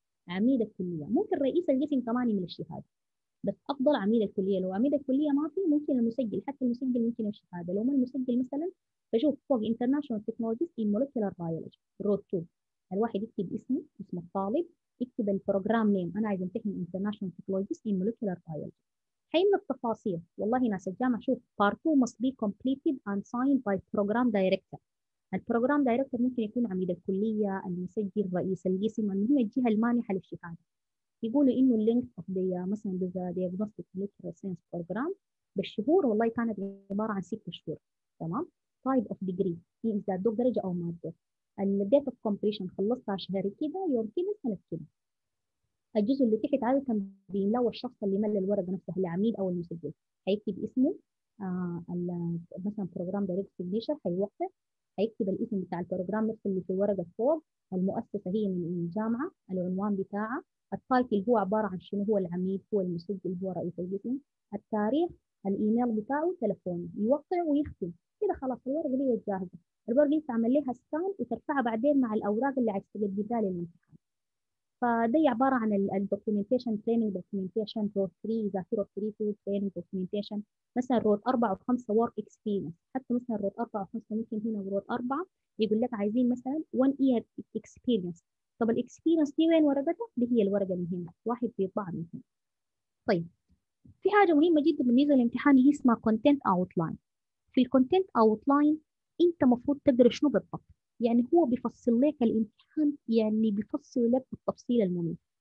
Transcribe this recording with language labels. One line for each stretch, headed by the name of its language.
Arabic: عميد الكليه ممكن رئيس القسم كمان يملى الشهاده، بس افضل عميد الكليه. لو عميد الكليه ما في ممكن المسجل، حتى المسجل ممكن الشهاده. لو ما المسجل مثلا فشوف فوق انترناشونال تكنولوجيز ان مولكيولار بايولوجي رود 2، الواحد يكتب اسمه اسم الطالب، يكتب البروجرام نيم، انا عايز امتحن انترناشونال تكنولوجيز ان مولكيولار بايولوجي. حين التفاصيل والله ناس الجامعه، شوف
English: Part 2 must be completed and signed by program director.
Arabic: البروجرام دايركتور ممكن يكون عميد الكليه، المسجل، رئيس القسم، اللي هي الجهه المانحه للشهاده. يقولوا انه
English: اللينك of the
Arabic: مثلا ذا دياجنوستيك ميديكال ساينس بروجرام بالشهور، والله كانت عباره عن 6 شهور. تمام،
English: type of degree
Arabic: اذا دو درجه او ماده،
English: الديت of completion
Arabic: خلصتها شهر كده يوم كده سنه كده. الجزء اللي تحت عادي كان بيملوا الشخص اللي مل الورقه نفسها العميد او المسجل، هيكتب اسمه مثلا بروجرام دايركت سيجنيشر، هيوقف هيكتب الاسم بتاع البروجرام نفسه اللي في الورقه فوق، المؤسسه هي من الجامعه، العنوان بتاعها، التايتل هو عباره عن شنو، هو العميد، هو المسجل، هو رئيس القسم، التاريخ، الايميل بتاعه، تليفونه، يوقع ويختم كده خلاص الورق ليه جاهزة. الورق ليه تعمل لها سكان وترفعها بعدين مع الأوراق اللي عايز تقدمها للامتحان. فدي عبارة عن الـ
English: documentation training documentation road 3 إذا في road 3 tools training documentation مثلا road 4 و5 work experience.
Arabic: حتى مثلا road 4 و5 ممكن هنا road 4 يقول لك عايزين مثلا
English: 1 year experience.
Arabic: طب الـ experience دي وين ورقتها؟ اللي هي الورقة اللي هنا واحد بيطبع من هنا. طيب في حاجة مهمة جدا بالنسبة للامتحان اللي اسمها content outline. في الـ content outline أنت مفروض تدري شنو بالضبط، يعني هو بيفصل لك الامتحان، يعني بيفصل لك بالتفصيل المهم.